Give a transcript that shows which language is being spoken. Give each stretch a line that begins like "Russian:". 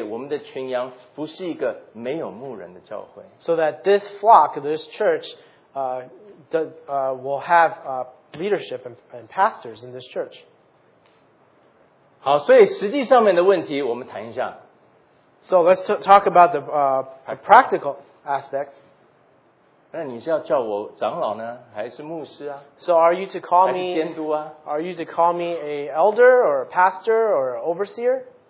Chinese: 使得我们的教会，我们的群羊不是一个没有牧人的教会。
English: So that this flock, this church, will have leadership and pastors in this church.
Chinese: 好，所以实际上面的问题我们谈一下。
English: So let's talk about the practical aspects.
Chinese: 那你是要叫我长老呢，还是牧师啊？
English: So are you to call me?
Chinese: 还是监督啊？
English: Are you to call me a elder or a pastor or an overseer?